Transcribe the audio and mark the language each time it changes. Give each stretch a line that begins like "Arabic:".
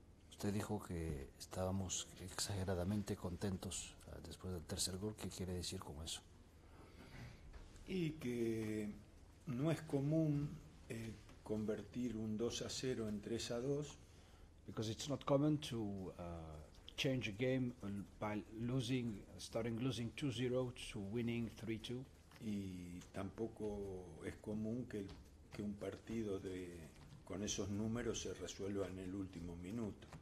Spanish: Usted dijo que estábamos exageradamente contentos después del tercer gol. ¿Qué quiere decir con eso? Y que no es común convertir un 2-0 en 3-2.
English: Because it's not common to change a game by losing, starting losing 2-0 to winning 3-2.
Spanish: Y tampoco es común que un partido de con esos números se resuelva en el último minuto.